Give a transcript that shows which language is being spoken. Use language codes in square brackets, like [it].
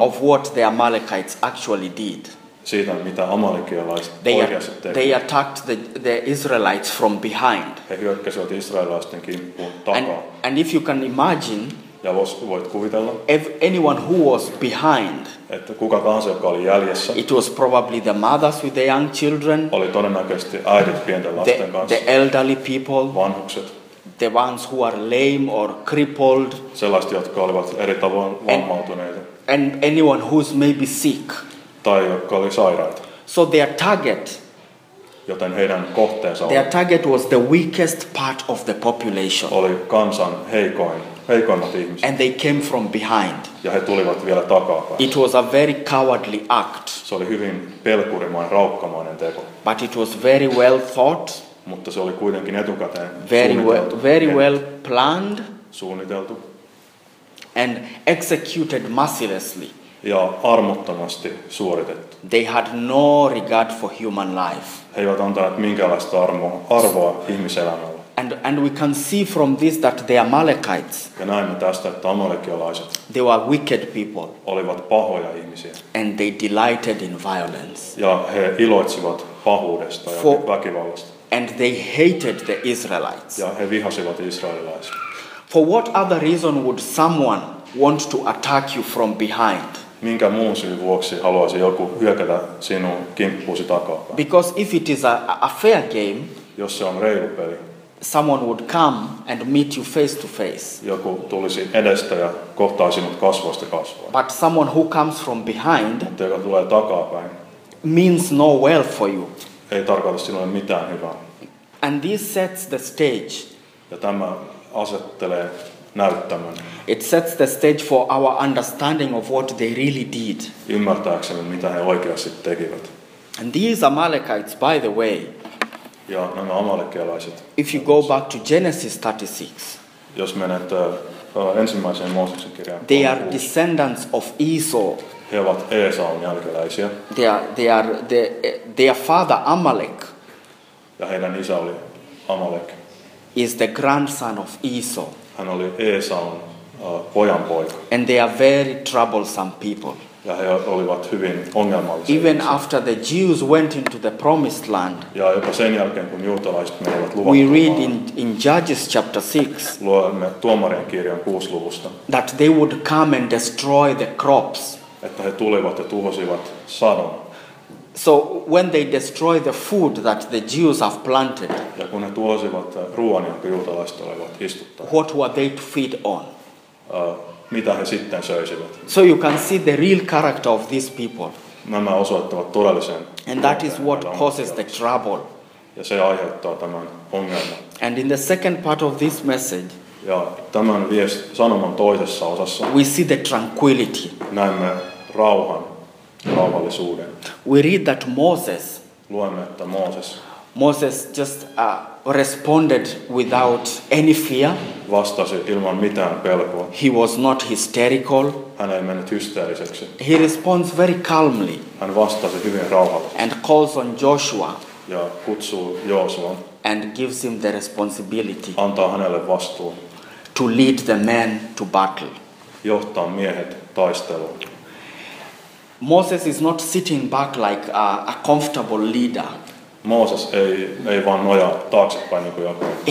[en] Of what the Amalekites actually did. [fi] Siitä, mitä amalekialaiset oikeasti tekivät. [en] They attacked the Israelites from behind. [fi] He hyökkäsivät israelilaisten kimppuun takaa. [en] And if you can imagine. [fi] Ja voit kuvitella. [en] If anyone who was behind. [fi] Että kuka tahansa, joka oli jäljessä. [en] It was probably the mothers with the young children. [fi] Oli todennäköisesti äidit pienten lasten kanssa. [en] The elderly people. [fi] Vanhukset. [en] The ones who are lame or crippled. [fi] Sellaiset, jotka olivat eri tavoin vammautuneita. [en] And anyone who's maybe sick. [fi] Tai jotka oli sairaita. [en] So their target. [fi] Joten heidän kohteensa. [en] Their target was the weakest part of the population. [fi] Oli kansan heikoimmat ihmiset. [en] And they came from behind. [fi] Ja he tulivat vielä takaa päin. [en] It was a very cowardly act. [fi] Se oli hyvin pelkurimainen, raukkamainen teko. [en] But it was very well thought. [fi] Mutta se oli kuitenkin etukäteen [en] very well planned, [fi] suunniteltu [en] and executed mercilessly. [fi] Ja armottomasti suoritettu. [en] They had no regard for human life. [fi] He eivät antaneet minkäänlaista arvoa ihmiselämällä. [en] And we can see from this that the Amalekites. [fi] Ja näemme tästä, että amalekialaiset. [en] They were wicked people. [fi] Olivat pahoja ihmisiä. [en] And they delighted in violence. [fi] Ja he iloitsivat pahuudesta ja väkivallasta. [en] And they hated the Israelites. [fi] Ja he vihasivat israelilaisia. [en] For what other reason would someone want to attack you from behind? [fi] Minkä muun syyn vuoksi haluaisi joku hyökätä sinun kimppuusi takaa? [en] Because if it is a fair game, [fi] jos se on reilu peli, [en] someone would come and meet you face to face. [fi] Joku tulisi edestä ja kohtaisi sinut kasvoista kasvoon. [en] But someone who comes from behind, [fi] mutta joka tulee takaapäin, [en] means no well for you. [fi] Ei tarkoita sinulle mitään hyvää. [en] And this sets the stage. [fi] Ja tämä asettelee näyttämön. [en] It sets the stage for our understanding of what they really did. [fi] Ymmärtääksemme, mitä he oikeasti tekivät. [en] And these Amalekites, by the way. [fi] Ja nämä amalekialaiset. [en] If you go back to Genesis 36. [fi] Jos menet ensimmäiseen Mooseksen kirjaan. [en] They are descendants of Esau. [fi] He ovat Esaun jälkeläisiä. [en] Their father Amalek. [fi] Ja heidän isä oli Amalek. [en] Is the grandson of Esau. [fi] Hän oli Esaun pojanpoika. [en] And they are very troublesome people. [fi] Ja he olivat hyvin ongelmallisia. [en] Even after the Jews went into the promised land. [fi] Ja jopa sen jälkeen, kun juutalaiset menivät luvattuun maahan. [en] We read in Judges chapter 6. [fi] Luemme Tuomarien kirjan 6 luvusta. [en] That they would come and destroy the crops. [fi] Että he tulivat ja tuhosivat sadon. [en] So when they destroy the food that the Jews have planted. [fi] Ja kun he tuhosivat ruoan, jonka juutalaiset olivat istuttaneet. [en] What were they to feed on? [fi] Mitä he sitten söisivät? [en] So you can see the real character of these people. [fi] Nämä osoittavat todellisen. [en] And that is what causes the trouble. [fi] Ja se aiheuttaa tämän ongelman. [en] And in the second part of this message. [fi] Ja tämän sanoman toisessa osassa. [en] We see the tranquility. [fi] Näemme rauhan, rauhallisuuden. [en] We read that Moses. [fi] Luemme, että Moses. [en] Moses just responded without any fear. [fi] Vastasi ilman mitään pelkoa. [en] He was not hysterical. [fi] Hän ei mennyt hysteeriseksi. [en] He responds very calmly. [fi] Hän vastasi hyvin rauhallisesti. [en] And calls on Joshua. [fi] Ja kutsuu Joosuan. [en] And gives him the responsibility. [fi] Antaa hänelle vastuun. [en] To lead the men to battle. [fi] Johtaa miehet taisteluun. [en] Moses is not sitting back like a comfortable leader. [fi] Moses ei vaan nojaa taaksepäin niin kuin joku